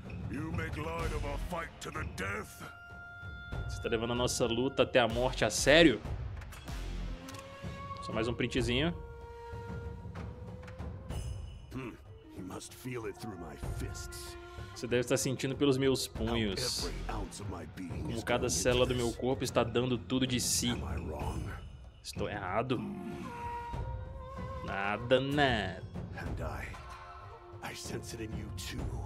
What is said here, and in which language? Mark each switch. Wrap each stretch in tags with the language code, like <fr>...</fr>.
<en>You make light of our fight to the death.</en> <pt>Você está levando a nossa luta até a morte a sério? Só mais um printzinho.</pt> <en>You must feel it through my fists.</en> <pt>Você deve estar sentindo pelos meus punhos. Como cada célula do meu corpo está dando tudo de si. Estou errado? Nada, nada.</pt> <en>I sense it in you too.</en>